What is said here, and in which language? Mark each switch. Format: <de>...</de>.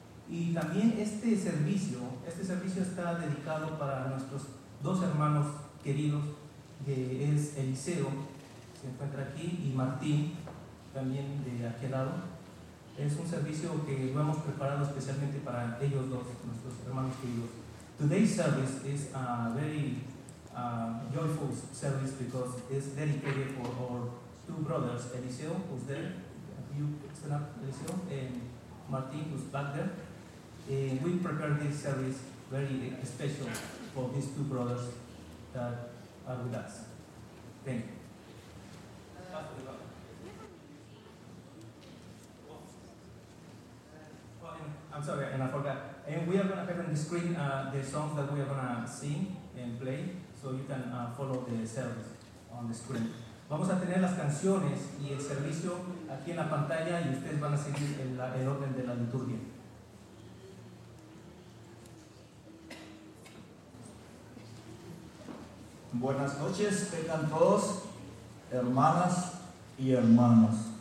<es>Y también este servicio está dedicado para nuestros dos hermanos queridos, que es Eliseo, se encuentra aquí, y Martín, también de aquel lado. Es un servicio que lo hemos preparado especialmente para ellos dos, nuestros hermanos queridos.</es> <en>Today's service is a very joyful service because it's dedicated for our two brothers, Eliseo, who's there, you stand up, Eliseo, and Martín, who's back there. And we prepared this service very special for these two brothers that are with us. Thank you. I'm sorry, and I forgot. And we are going to have on the screen the songs that we are going to sing and play, so you can follow the service on the screen.</en> <es>Vamos a tener las canciones y el servicio aquí en la pantalla, y ustedes van a seguir el orden de la liturgia. Buenas noches, tengan todos, hermanas y hermanos.</es>